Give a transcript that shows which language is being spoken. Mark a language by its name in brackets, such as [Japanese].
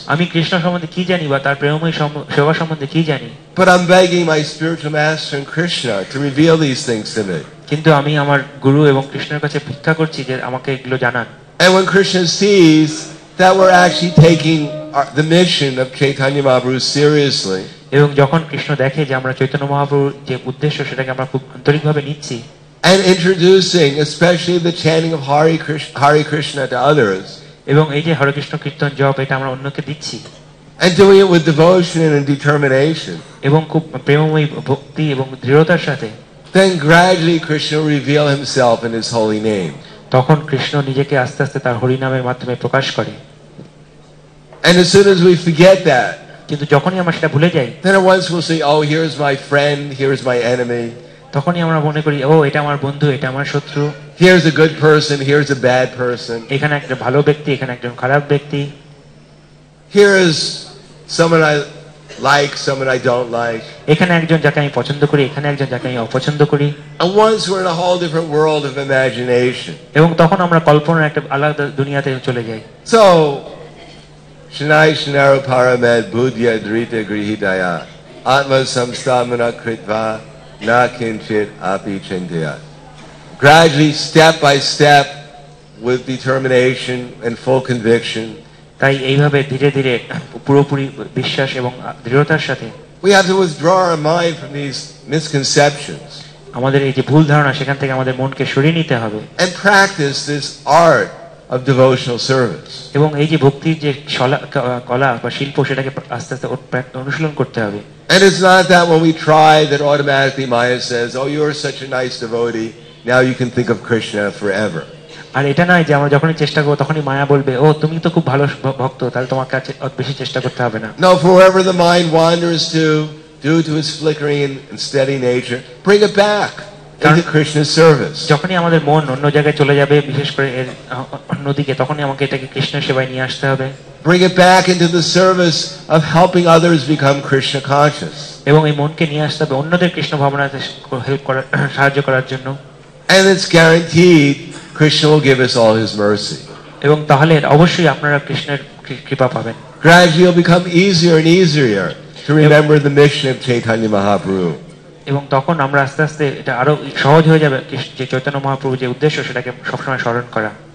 [Bangla] আমি কৃষ্ণ সম্বন্ধে কি জানি বা তার প্রেমময় সেবা সম্বন্ধে কি জানি [English] but I'm begging my spiritual master and krishna to reveal these things to me [Bangla] কিন্তু আমি আমার গুরু এবং কৃষ্ণের কাছে ভিক্ষা করছি যে আমাকে এগুলো জানান [English] and when krishna sees that we're actually taking the mission of chaitanya mahaprabhu seriously [Bangla] এবং যখন কৃষ্ণ দেখে যে আমরা চৈতন্য মহাপ্রভুর যে উদ্দেশ্য সেটাকে আমরা খুব আন্তরিক ভাবে নিচ্ছি [English] and introducing especially the chanting of hari krishna to others [Bangla] এবং এই যে হরে কৃষ্ণ কীর্তন জপ এটা আমরা অন্যকে দিচ্ছি [English] and doing it with devotion and determination [Bangla] এবং খুব প্রেমময় ভক্তি এবং দৃঢ়তার সাথে [English] then gradually krishna reveal himself in his holy name [Bangla] তখন কৃষ্ণ নিজেকে আস্তে আস্তে তার হরি নামের মাধ্যমে প্রকাশ করে [English] and as soon as we forget that [Bangla] কিন্তু যখনই আমরা সেটা ভুলে যাই [English] then once we say oh here is my friend here is my enemy [Bangla] তখনই আমরা মনে করি ও এটা আমার বন্ধু এটা আমার শত্রু [English] here is a good person here is a bad person [Bangla] এখানে একটা ভালো ব্যক্তি এখানে একজন খারাপ ব্যক্তি [English] here is someone I like someone I don't like [Bangla] এখানে একজন যাকে আমি পছন্দ করি এখানে একজন যাকে আমি অপছন্দ করি [English] and once we're in a whole different world of imagination [Bangla] এবং তখন আমরা কল্পনার একটা আলাদা দুনিয়াতে চলে যাই [Sanskrit] so shnai shnaro paramed budhya drita grihitaya atma samstamana kritva na kinchit api chintaya [English] gradually step by step with determination and full conviction [Bangla] তাই এইভাবে ধীরে ধীরে পুরোপুরি বিশ্বাস এবং দৃঢ়তার সাথে [English] we have to withdraw our mind from these misconceptions [Bangla] আমাদের এই যে ভুল ধারণা সেখান থেকে আমাদের মনকে সরিয়ে নিতে হবে [English] and practice this art of devotional service [Bangla] এবং এই যে ভক্তির যে কলা বা শিল্প সেটাকে আস্তে আস্তে অনুশীলন করতে হবে [English] and it's not that when we try that automatically maya says oh you're such a nice devotee now you can think of krishna forever [Bangla] আর এটা নয় যে আমরা যখনই চেষ্টা করব তখনই মায়া বলবে ও তুমি তো খুব ভালো ভক্ত তাহলে তোমাকে আর বেশি চেষ্টা করতে হবে না [English] no forever the mind wanders to due to its flickering and steady nature bring it back into krishna's service [Bangla] যখনই আমাদের মন অন্য জায়গায় চলে যাবে বিশেষ করে এর অন্য দিকে তখনই আমাকে এটাকে কৃষ্ণের সেবায় নিয়ে আসতে হবে [English] bring it back into the service of helping others become krishna conscious [Bangla] এবং এই মনকে নিয়ে আসতে হবে অন্যদের কৃষ্ণ ভাবনাতে হেল্প করার সাহায্য করার জন্য [English] and it's guaranteed krishna will give us all his mercy [Bangla] এবং তাহলে অবশ্যই আপনারা কৃষ্ণের কৃপা পাবেন [English] gradually will become easier and easier to remember the mission of chaitanya mahaprabhu [Bangla] এবং তখন আমরা আস্তে আস্তে এটা আরো সহজ হয়ে যাবে যে চৈতন্য মহাপ্রভু যে উদ্দেশ্য সেটাকে সবসময় স্মরণ করা